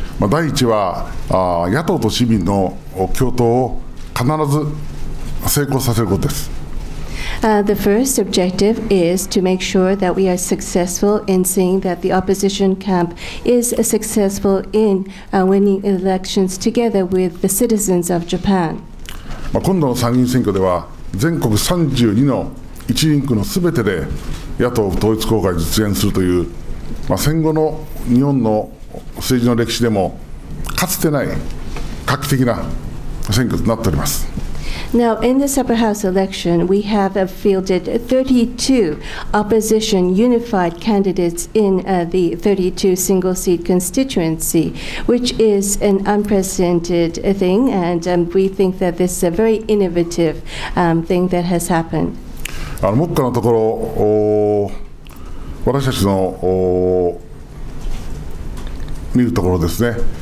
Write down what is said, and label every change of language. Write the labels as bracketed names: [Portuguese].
[Japanese] 第一は、野党と市民の共闘を必ず成功させることです。 [English] The first objective is to make sure that we are successful in seeing that the opposition camp is successful in winning elections together with the citizens of Japan. [Japanese] 今度の参議院選挙では全国32の1人区のすべてで野党統一候補が実現するという、戦後の日本の政治の歴史でもかつてない画期的な選挙となっております。 [English] Now, in this upper house election, we have fielded 32 opposition unified candidates in the 32 single seat constituency, which is an unprecedented thing, and we think that this is a very innovative thing that has happened. [Japanese] 目下のところ、私たちの見るところですね。